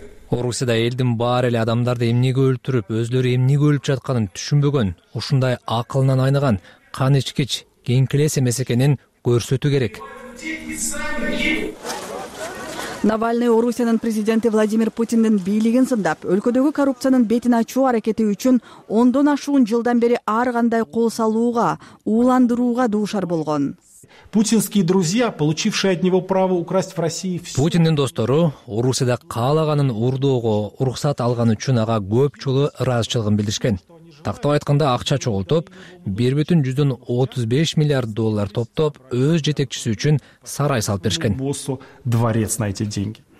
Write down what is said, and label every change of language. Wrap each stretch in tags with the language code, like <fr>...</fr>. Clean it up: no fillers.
<ky>Орусияда элдин баары эле адамдарды эмнеге өлтүрүп, өзлөрү эмнеге өлүп жатканын түшүнбөгөн, ушундай акылынан айныган, кан ичкич, кеңкелес эмес экенин көрсөтүү керек. Навальный Орусиянын президенти Владимир Путиндин бийлигин сындап, өлкөдөгү коррупциянын бетин ачуу аракети үчүн ондон ашуун жылдан бери ар кандай кол салууга, ууландырууга дуушар болгон.</ky> <ru>Путинские друзья, получившие от него право украсть в России всё.</ru> <ky>Путиндин достору Орусияда каалаганын урдоого уруксат алган үчүн ага көп жолу ыраазычылыгын билдиришкен. Тактап айтканда акча чогултуп, 1,35 миллиард доллар топтоп, өз жетекчиси үчүн сарай салып беришкен.</ky>